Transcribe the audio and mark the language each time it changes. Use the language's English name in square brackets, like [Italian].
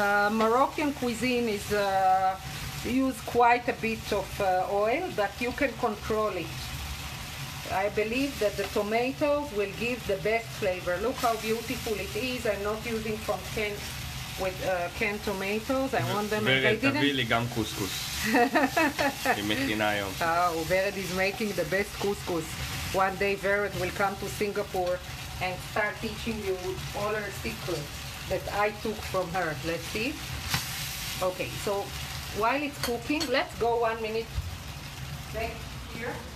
[English] Moroccan cuisine is use quite a bit of oil, but you can control it. I believe that the tomatoes will give the best flavor. Look how beautiful it is. I'm not using from canned with canned tomatoes. I want them. [Hebrew] Beret, תביא לי גם couscous. היא מכינה היום. [English] Oh, Beret is making the best couscous. One day Beret will come to Singapore and start teaching you all her secrets that I took from her. Let's see. Okay, so while it's cooking, let's go 1 minute back here.